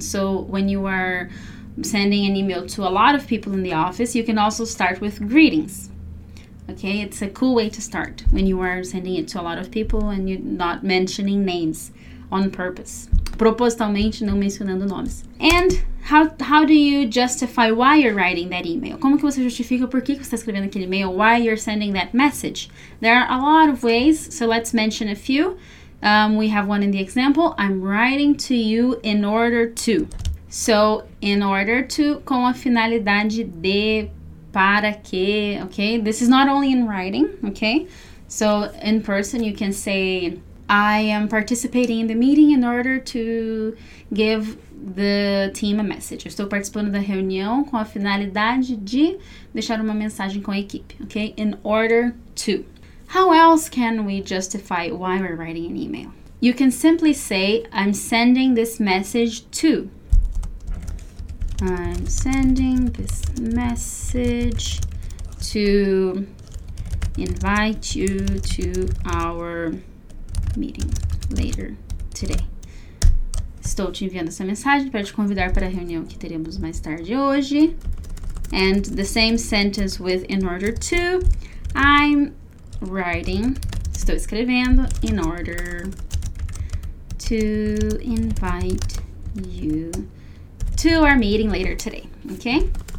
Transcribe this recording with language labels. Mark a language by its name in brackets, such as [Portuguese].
[English] So when you are sending an email to a lot of people in the office, you can also start with greetings. Okay, it's a cool way to start when you are sending it to a lot of people and you're not mentioning names on purpose. [Portuguese] Propositalmente, não mencionando nomes. [English] And how do you justify why you're writing that email? [Portuguese] Como que você justifica por que você está escrevendo aquele email? [English] Why you're sending that message? There are a lot of ways, so let's mention a few. We have one in the example. I'm writing to you in order to. So, in order to, [Portuguese] com a finalidade de... Para que, [English] okay? This is not only in writing, okay? So in person, you can say, I am participating in the meeting in order to give the team a message. [Portuguese] Eu estou participando da reunião com a finalidade de deixar uma mensagem com a equipe, okay? [English] In order to. How else can we justify why we're writing an email? You can simply say, I'm sending this message to. I'm sending this message to invite you to our meeting later today. [Portuguese] Estou te enviando essa mensagem para te convidar para a reunião que teremos mais tarde hoje. [English] And the same sentence with in order to. I'm writing, [Portuguese] estou escrevendo, [English] in order to invite you to our meeting later today, okay?